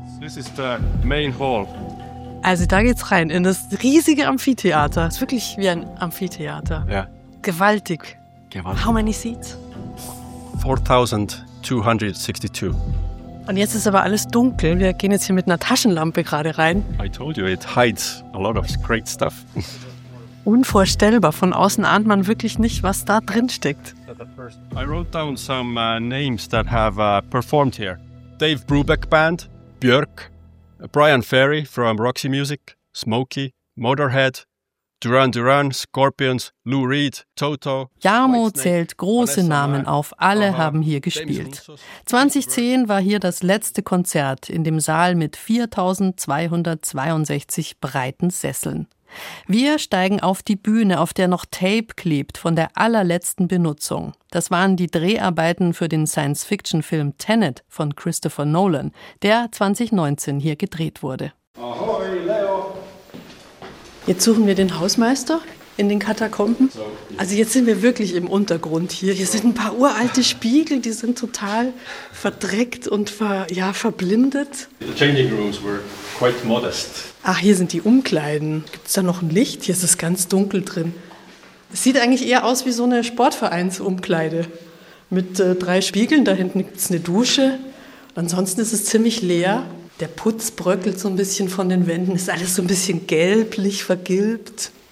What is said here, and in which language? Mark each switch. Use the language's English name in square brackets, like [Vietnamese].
[English] This is the main hall. [German] Also da geht's rein in das riesige Amphitheater. Es ist wirklich wie ein Amphitheater. Ja. Gewaltig. Gewaltig. [English] How many seats? 4,262. [German] Und jetzt ist aber alles dunkel. Wir gehen jetzt hier mit einer Taschenlampe gerade rein. [English] I told you, it hides a lot of great stuff. [German] Unvorstellbar. Von außen ahnt man wirklich nicht, was da drin steckt. [English] I wrote down some names that have performed here. Dave Brubeck Band, Björk, Brian Ferry from Roxy Music, Smokey, Motorhead, Duran Duran, Scorpions, Lou Reed, Toto. [German] Jarmo zählt große Namen auf, alle haben hier gespielt. 2010 war hier das letzte Konzert in dem Saal mit 4.262 breiten Sesseln. Wir steigen auf die Bühne, auf der noch Tape klebt von der allerletzten Benutzung. Das waren die Dreharbeiten für den Science-Fiction-Film Tenet von Christopher Nolan, der 2019 hier gedreht wurde. Ahoi, Leo! Jetzt suchen wir den Hausmeister in den Katakomben. Also jetzt sind wir wirklich im Untergrund hier. Hier sind ein paar uralte Spiegel, die sind total verdreckt und verblindet. [English] The changing rooms were quite modest. [German] Ach, hier sind die Umkleiden. Gibt es da noch ein Licht? Hier ist es ganz dunkel drin. Es sieht eigentlich eher aus wie so eine Sportvereinsumkleide mit drei Spiegeln. Da hinten gibt es eine Dusche. Ansonsten ist es ziemlich leer. Der Putz bröckelt so ein bisschen von den Wänden, ist alles so ein bisschen gelblich vergilbt.